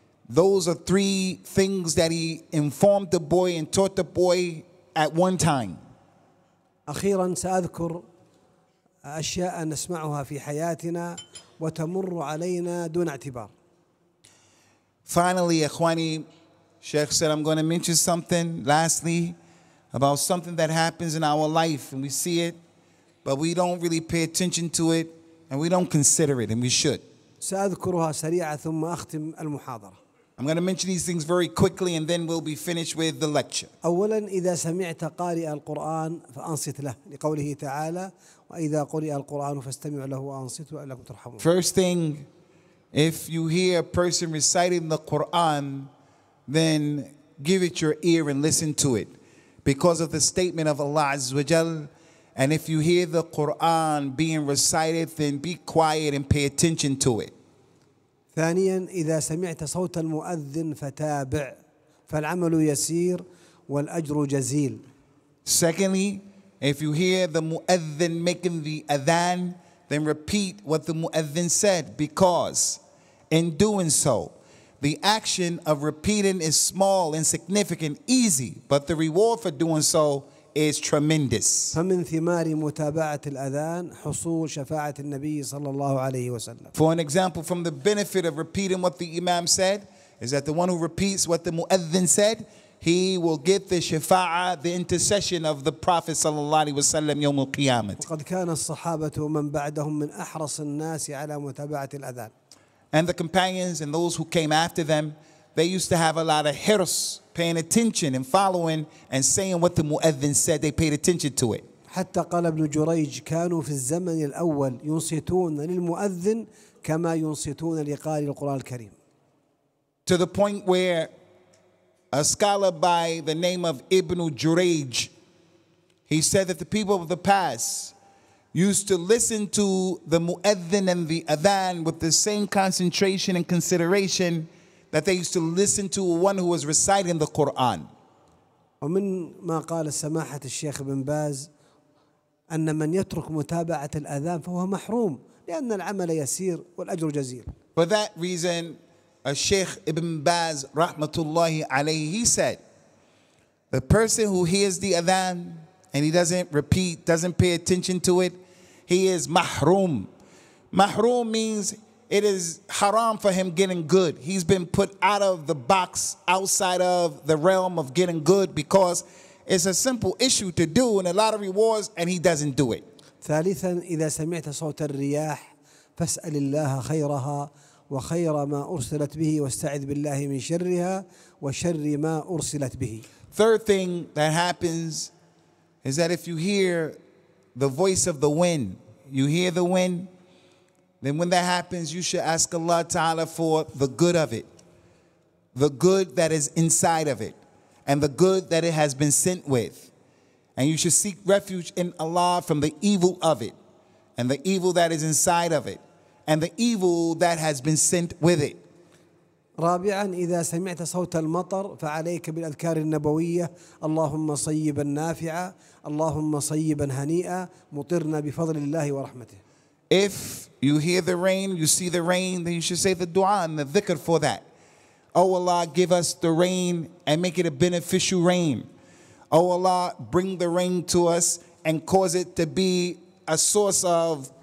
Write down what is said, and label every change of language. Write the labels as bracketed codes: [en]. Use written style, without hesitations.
[en] Those are three things that he informed the boy and taught the boy at one time. [ar] أخيرا سأذكر أشياء نسمعها في حياتنا وتمر علينا دون اعتبار. [en] Finally, Ikhwani, Shaykh said, I'm going to mention something lastly about something that happens in our life and we see it, but we don't really pay attention to it and we don't consider it and we should. [ar] سأذكرها سريعة ثم أختم المحاضرة. [en] I'm going to mention these things very quickly and then we'll be finished with the lecture. [ar] أولا إذا سمعت قارئ القرآن فأنصت له لقوله تعالى وإذا قرئ القرآن فاستمع له وأنصت لعلكم ترحمون. [en] First thing, if you hear a person reciting the Quran, then give it your ear and listen to it because of the statement of Allah [ar] Azza wa Jal. [en] And if you hear the Quran being recited, then be quiet and pay attention to it. [ar] ثانيا إذا سمعت صوت المؤذن فتابع فالعمل يسير والأجر جزيل. [en] Secondly, if you hear the muadhin making the adhan, then repeat what the muadhin said because in doing so, the action of repeating is small, insignificant, easy, but the reward for doing so is tremendous. [ar] فمن ثمار متابعة الأذان حصول شفاعة النبي صلى الله عليه وسلم. [en] For an example, from the benefit of repeating what the imam said, is that the one who repeats what the muadhin said, he will get the shafa'ah, the intercession of the Prophet [ar] صلى الله عليه وسلم يوم القيامة. وقد كان الصحابة ومن بعدهم من أحرص الناس على متابعة الأذان. [en] And the companions and those who came after them, they used to have a lot of hirs, paying attention and following and saying what the muadhin said. They paid attention to it. [ar] حتى قال ابن جريج كانوا في الزمن الأول ينصتون للمؤذن كما ينصتون لقارئ القرآن الكريم. [en] To the point where a scholar by the name of Ibn Jurayj, he said that the people of the past used to listen to the muadhin and the adhan with the same concentration and consideration that they used to listen to one who was reciting the Quran. [ar] ومن ما قال السماحة الشيخ بن باز أن من يترك متابعة الأذان فهو محروم لأن العمل يسير والأجر جزيل. [en] For that reason, a Shaykh Ibn Baz [ar] rahmatullahi alayhi, [en] he said, the person who hears the adhan and he doesn't repeat, doesn't pay attention to it, he is mahroom. Mahroom means it is haram for him getting good. He's been put out of the box, outside of the realm of getting good because it's a simple issue to do and a lot of rewards and he doesn't do it. [ar] ثالثا إذا سمعت صوت الرياح فاسأل الله خيرها وخير ما أرسلت به واستعذ بالله من شرها وشر ما أرسلت به. [en] Third thing that happens is that if you hear the voice of the wind, you hear the wind, then when that happens, you should ask Allah Ta'ala for the good of it, the good that is inside of it, and the good that it has been sent with. And you should seek refuge in Allah from the evil of it, and the evil that is inside of it, and the evil that has been sent with it. [ar] رابعا إذا سمعت صوت المطر فعليك بالأذكار النبوية اللهم صيبا نافعا اللهم صيبا هنيئا مطرنا بفضل الله ورحمته. [en] If you hear the rain, you see the rain, then you should say the dua and the dhikr for that. Oh Allah, give us the rain and make it a beneficial rain. Oh Allah, bring the rain to us and cause it to be a source of